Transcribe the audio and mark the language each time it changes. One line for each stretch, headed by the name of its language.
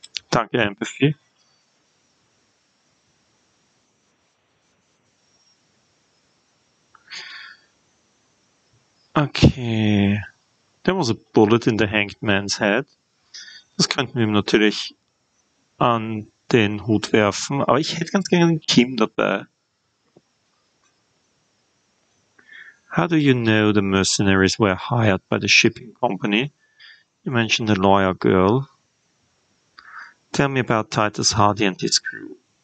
German: Danke, Empathy.
English: Okay, there was a bullet in the hanged man's head.
German: Das könnten wir ihm natürlich an den Hut werfen, aber ich hätte ganz gerne Kim dabei.
English: How do you know the mercenaries were hired by the shipping company? You mentioned the lawyer girl. Tell me about Titus Hardy and his crew.